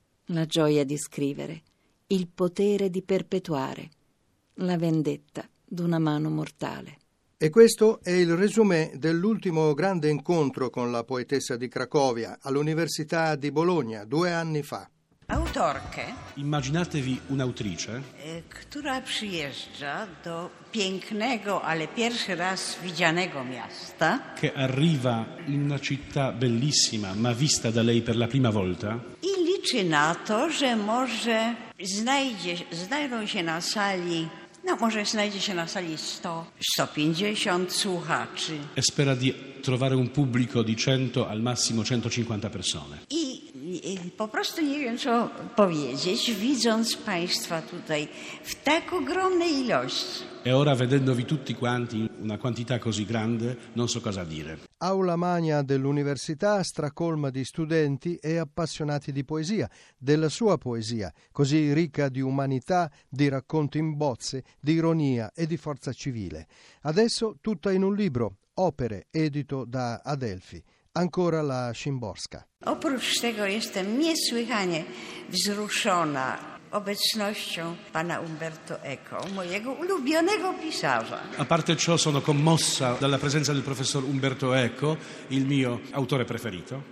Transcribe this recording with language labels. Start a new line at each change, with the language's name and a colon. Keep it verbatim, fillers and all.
Italian: La gioia di scrivere, il potere di perpetuare, la vendetta d'una mano mortale. E questo è il resumé dell'ultimo grande incontro con la poetessa di Cracovia all'Università di Bologna due anni fa.
Polish: Autorkę.
Italian: Immaginatevi un'autrice,
Polish: eh, która przyjeżdża do pięknego, ale pierwszy raz widzianego miasta.
Italian: Che arriva in una città bellissima, ma vista da lei per la prima volta.
Polish: I liczy na to, że może znajdzie, znajdą się na sali No, może znajdzie się na sali sto, sto pięćdziesiąt słuchaczy.
Italian: E spera di trovare un pubblico di cento, al massimo centocinquanta persone.
Polish: I, I po prostu nie wiem, co powiedzieć, widząc Państwa tutaj w tak ogromnej ilości.
Italian: E ora, vedendovi tutti quanti, una quantità così grande, non so cosa dire. Aula magna dell'università, stracolma di studenti e appassionati di poesia, della sua poesia, così ricca di umanità, di racconti in bozze, di ironia e di forza civile. Adesso tutta in un libro, Opere, edito da Adelphi. Ancora la Szymborska.
Polish: Oprócz tego jestem niesłychanie wzruszona obecnością pana Umberto Eco, mojego ulubionego pisarza.
Italian: A parte ciò sono commossa dalla presenza del professor Umberto Eco, il mio autore preferito.